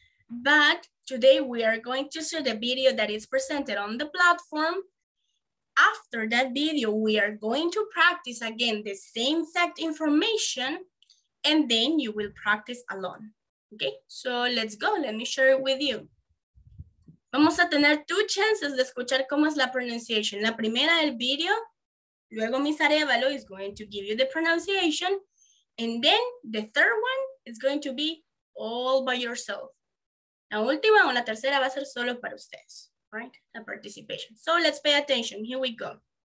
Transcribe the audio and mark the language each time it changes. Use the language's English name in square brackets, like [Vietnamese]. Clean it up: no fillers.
[English] But today we are going to see the video that is presented on the platform. After that video, we are going to practice again the same exact information, and then you will practice alone. Okay, so let's go. Let me share it with you. [Spanish] Vamos a tener [English] two chances [Spanish] de escuchar cómo es la pronunciation. La primera del video. [English] Luego Miss Arevalo is going to give you the pronunciation. And then the third one is going to be all by yourself. [Spanish] La última o la tercera va a ser solo para ustedes, right? La participation. [English] So let's pay attention. Here we go.